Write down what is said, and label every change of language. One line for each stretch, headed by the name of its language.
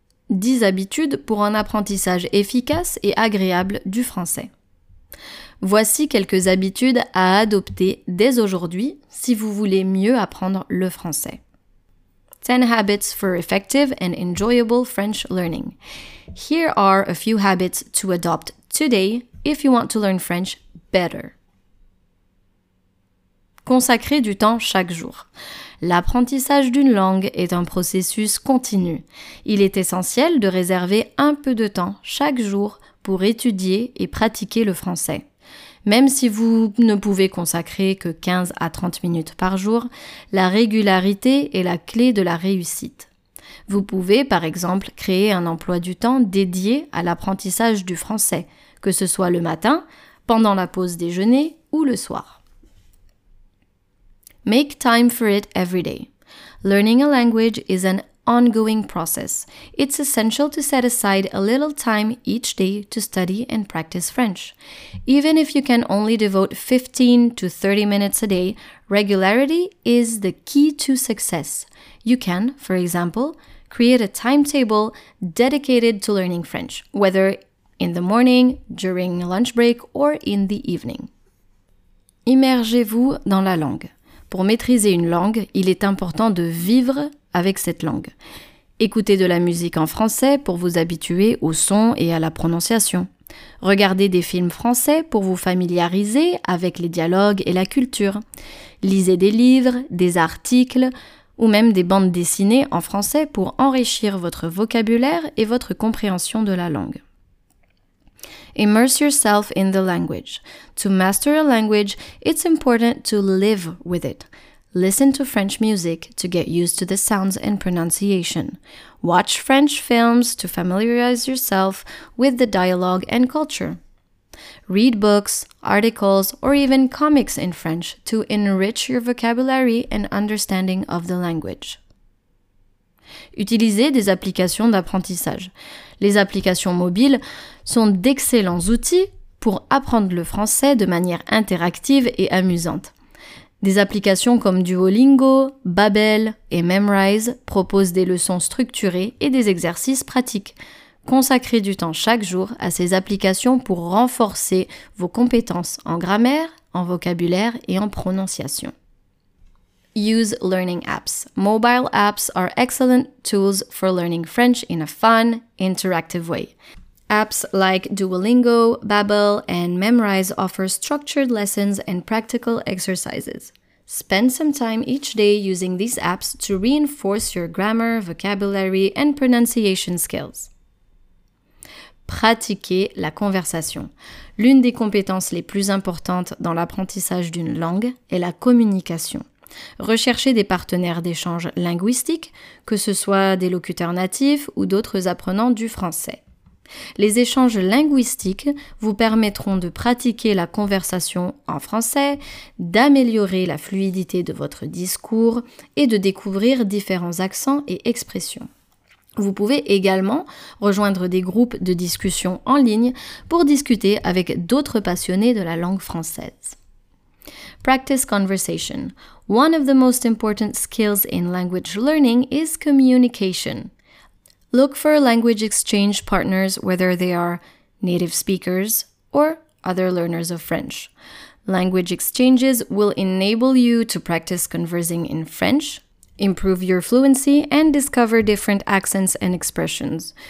French: 10 habitudes pour un apprentissage efficace et agréable du français. Voici quelques habitudes à adopter dès aujourd'hui si vous voulez mieux apprendre le français.
English: 10 habits for effective and enjoyable French learning. Here are a few habits to adopt today if you want to learn French better.
French: Consacrer du temps chaque jour. L'apprentissage d'une langue est un processus continu. Il est essentiel de réserver un peu de temps chaque jour pour étudier et pratiquer le français. Même si vous ne pouvez consacrer que 15 à 30 minutes par jour, la régularité est la clé de la réussite. Vous pouvez, par exemple, créer un emploi du temps dédié à l'apprentissage du français, que ce soit le matin, pendant la pause déjeuner ou le soir.
English: Make time for it every day. Learning a language is an ongoing process. It's essential to set aside a little time each day to study and practice French. Even if you can only devote 15 to 30 minutes a day, regularity is the key to success. You can, for example, create a timetable dedicated to learning French, whether in the morning, during lunch break, or in the evening.
French: Immergez-vous dans la langue. Pour maîtriser une langue, il est important de vivre avec cette langue. Écoutez de la musique en français pour vous habituer au son et à la prononciation. Regardez des films français pour vous familiariser avec les dialogues et la culture. Lisez des livres, des articles ou même des bandes dessinées en français pour enrichir votre vocabulaire et votre compréhension de la langue.
English: Immerse yourself in the language. To master a language, it's important to live with it. Listen to French music to get used to the sounds and pronunciation. Watch French films to familiarize yourself with the dialogue and culture. Read books, articles, or even comics in French to enrich your vocabulary and understanding of the language.
French: Utilisez des applications d'apprentissage. Les applications mobiles sont d'excellents outils pour apprendre le français de manière interactive et amusante. Des applications comme Duolingo, Babbel et Memrise proposent des leçons structurées et des exercices pratiques. Consacrez du temps chaque jour à ces applications pour renforcer vos compétences en grammaire, en vocabulaire et en prononciation.
English: Use learning apps. Mobile apps are excellent tools for learning French in a fun, interactive way. Apps like Duolingo, Babbel, and Memrise offer structured lessons and practical exercises. Spend some time each day using these apps to reinforce your grammar, vocabulary, and pronunciation skills.
French: Pratiquez la conversation. L'une des compétences les plus importantes dans l'apprentissage d'une langue est la communication. Recherchez des partenaires d'échange linguistique, que ce soit des locuteurs natifs ou d'autres apprenants du français. Les échanges linguistiques vous permettront de pratiquer la conversation en français, d'améliorer la fluidité de votre discours et de découvrir différents accents et expressions. Vous pouvez également rejoindre des groupes de discussion en ligne pour discuter avec d'autres passionnés de la langue française.
English: Practice conversation. One of the most important skills in language learning is communication. Look for language exchange partners, whether they are native speakers or other learners of French. Language exchanges will enable you to practice conversing in French, improve your fluency, and discover different accents and expressions.